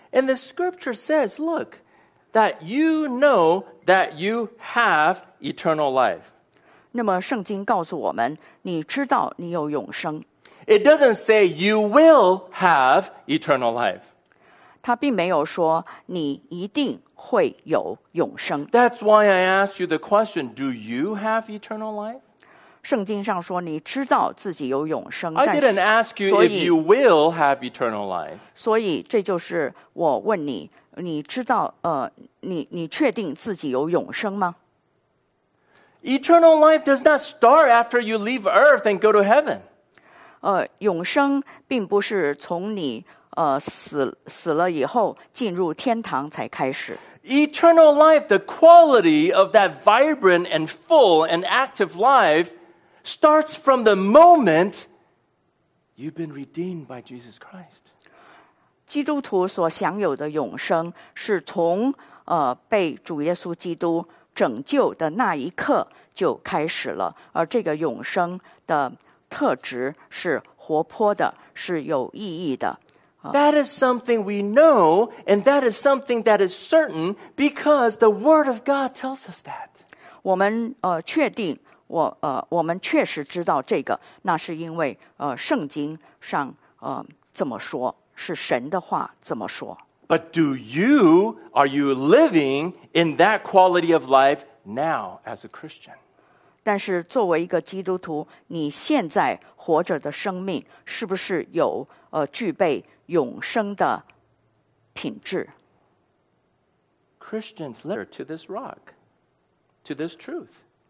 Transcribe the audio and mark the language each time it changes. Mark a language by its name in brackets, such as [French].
[English] And the scripture says, look, that you know that you have eternal life. [Chinese] 那么圣经告诉我们，你知道你有永生。 [English] It doesn't say you will have eternal life. [Chinese] 它并没有说你一定会有永生。 [English] That's why I asked you the question, do you have eternal life? [Chinese] 圣经上说你知道自己有永生。 [English] I didn't ask you if you will have eternal life. [Chinese] 所以这就是我问你，你知道你确定自己有永生吗？ [English] Eternal life does not start after you leave earth and go to heaven. [Chinese] 永生并不是从你死了以后进入天堂才开始。 [English] Eternal life, the quality of that vibrant and full and active life starts from the moment you've been redeemed by Jesus Christ. [Chinese] 基督徒所享有的永生是从被主耶稣基督拯救的那一刻就开始了，而这个永生的特质是活泼的，是有意义的。 [English] That is something we know, and that is something that is certain because the Word of God tells us that. [Chinese] 我们确定，我们确实知道这个，那是因为圣经上这么说，是神的话这么说。 [English] But do you, are you living in that quality of life now as a Christian? [Chinese] 但是作为一个基督徒，你现在活着的生命是不是有具备永生的品质？ [English] Christians live to this rock, to this truth.